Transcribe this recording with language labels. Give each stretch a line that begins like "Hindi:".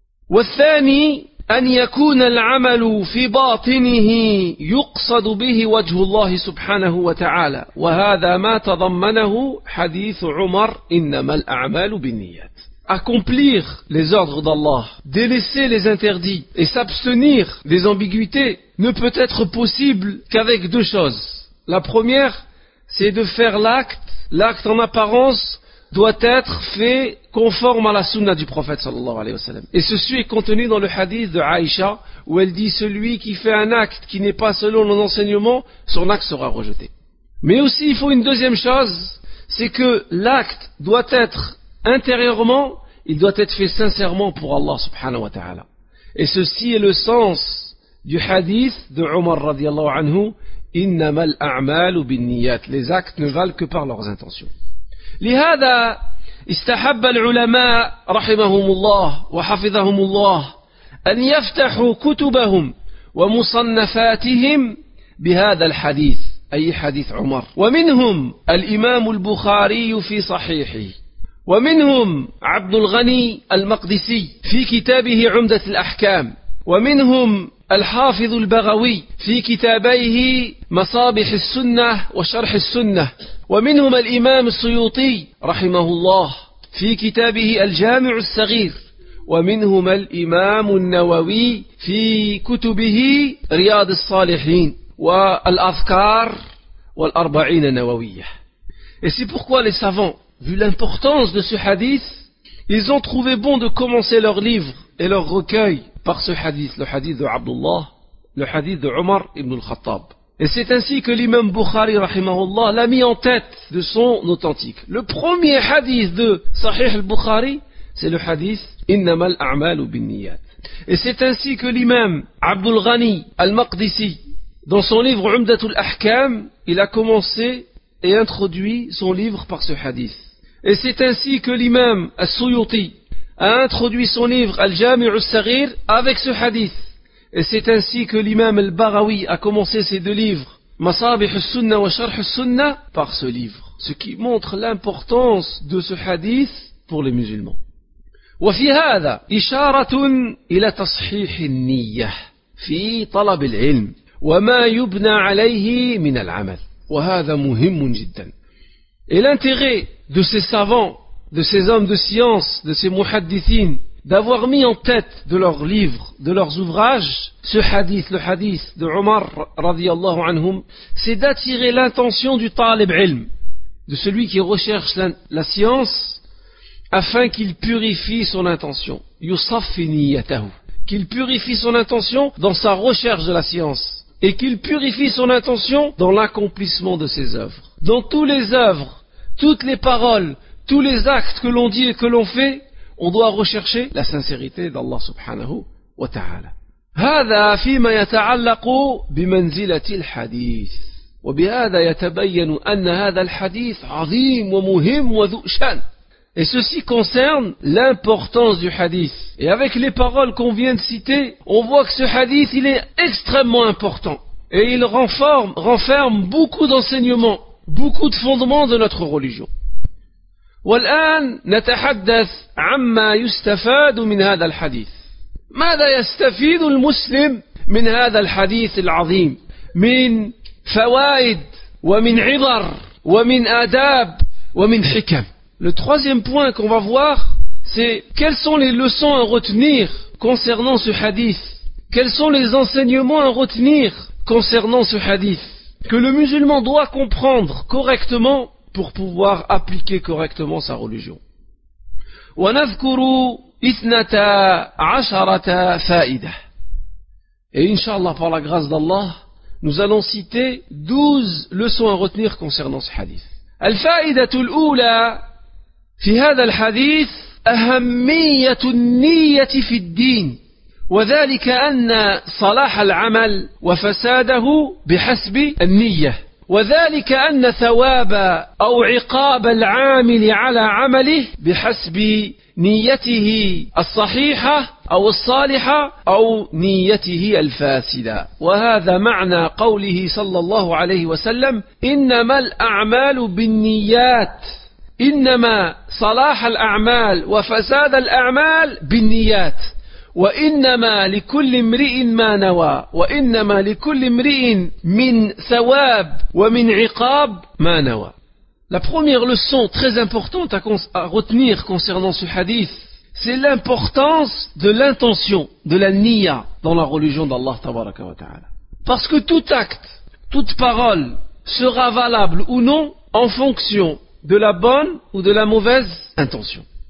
Arabic: والثاني أن يكون العمل في باطنه يقصد به وجه الله سبحانه وتعالى وهذا ما تضمنه حديث عمر إنما الأعمال بالنيات
French: Accomplir les ordres d'Allah, délaisser les interdits et s'abstenir des ambiguïtés ne peut être possible qu'avec deux choses. La première, c'est de faire l'acte en apparence doit être fait conforme à la sunna du prophète sallallahu alayhi wa sallam. Et ceci est contenu dans le hadith de Aïcha, où elle dit « Celui qui fait un acte qui n'est pas selon nos enseignements, son acte sera rejeté. » Mais aussi, il faut une deuxième chose, c'est que l'acte doit être intérieurement, il doit être fait sincèrement pour Allah subhanahu wa ta'ala. Et ceci est le sens du hadith de Omar radiallahu anhu, «
Arabic: Innama al-a'malu bin-niyat
French: » Les actes ne valent que par leurs intentions.
Arabic: لهذا استحب العلماء رحمهم الله وحفظهم الله أن يفتحوا كتبهم ومصنفاتهم بهذا الحديث أي حديث عمر ومنهم الإمام البخاري في صحيحه ومنهم عبد الغني المقدسي في كتابه عمدة الأحكام ومنهم الحافظ البغوي في كتابيه مصابح السنة وشرح السنة ومنهم الإمام السيوطي رحمه الله في كتابه الجامع الصغير ومنهم الإمام النووي في كتبه رياض الصالحين والأذكار والأربعين النووية
French: Et c'est pourquoi les savants, vu l'importance de ce hadith, ils ont trouvé bon de commencer leur livre et leur recueil par ce hadith, le hadith de Abdullah, le hadith de Omar ibn al-Khattab. Et c'est ainsi que l'imam Bukhari, rahimahullah, l'a mis en tête de son authentique. Le premier hadith de Sahih al-Bukhari, c'est le hadith «
Arabic: Innama al-a'malu bin-niyat ».
French: Et c'est ainsi que l'imam Abdul Ghani al-Maqdisi, dans son livre « Umdatul Ahkam », il a commencé et introduit son livre par ce hadith. Et c'est ainsi que l'imam al-Suyuti a introduit son livre « Al-Jami'u al-Saghir » avec ce hadith. Et c'est ainsi que l'imam al-Baghawi a commencé ses deux livres, Masabih al-Sunnah wa Sharh al-Sunnah, par ce livre. Ce qui montre l'importance de ce hadith pour les musulmans.
Arabic: وفي هذا إشارة إلى تصحيح النية في طلب العلم وما يبنى عليه من العمل. وهذا مهم جدا.
French: Et l'intérêt de ces savants, de ces hommes de science, de ces muhaddithin, d'avoir mis en tête de leurs livres, de leurs ouvrages, ce hadith, le hadith de Omar radiallahu anhum, c'est d'attirer l'intention du talib ilm, de celui qui recherche la science, afin qu'il purifie son intention,
Arabic: yusaffi niyatahu,
French: qu'il purifie son intention dans sa recherche de la science, et qu'il purifie son intention dans l'accomplissement de ses œuvres. Dans toutes les œuvres, toutes les paroles, tous les actes que l'on dit et que l'on fait, on doit rechercher la sincérité d'Allah subhanahu wa ta'ala.
Arabic: هذا فيما يتعلق بمنزلة الحديث وبهذا يتبين أن هذا الحديث عظيم ومهم وذو شأن.
French: Et ceci concerne l'importance du hadith. Et avec les paroles qu'on vient de citer, on voit que ce hadith il est extrêmement important. Et il renferme beaucoup d'enseignements, beaucoup de fondements de notre religion.
Arabic: والآن نتحدث عما يستفاد من هذا الحديث ماذا يستفيد المسلم من هذا الحديث العظيم من فوائد ومن عبر ومن آداب ومن حكم
French: Le troisième point qu'on va voir, c'est quelles sont les leçons à retenir concernant ce hadith? Quels sont les enseignements à retenir concernant ce hadith? Que le musulman doit comprendre correctement pour pouvoir appliquer correctement sa religion.
Arabic: وَنَذْكُرُوا إِثْنَتَا عَشَرَةَ فَائِدَةً.
French: Et Inch'Allah, par la grâce d'Allah, nous allons citer 12 leçons à retenir concernant ce hadith.
Arabic: الْفَائِدَةُ الْأُولَى فِي هَذَا الْحَدِيثِ أَهَمِّيَّةُ النِّيَّةِ فِي الدِّينِ وَذَلِكَ أَنَّ صَلَاحَ الْعَمَلِ وَفَسَادَهُ بِحَسْبِ النِّيَّةِ وذلك أن ثواب أو عقاب العامل على عمله بحسب نيته الصحيحة أو الصالحة أو نيته الفاسدة وهذا معنى قوله صلى الله عليه وسلم إنما الأعمال بالنيات إنما صلاح الأعمال وفساد الأعمال بالنيات وإنما لكل امرئ ما نوى وإنما لكل امرئ من ثواب ومن عقاب ما نوى.
French: La première leçon très importante à retenir concernant ce hadith, c'est l'importance de l'intention, de la niya dans la religion d'Allah tabaraka wa ta'ala. Parce que tout acte, toute parole sera valable ou non en fonction de la bonne ou de la mauvaise intention.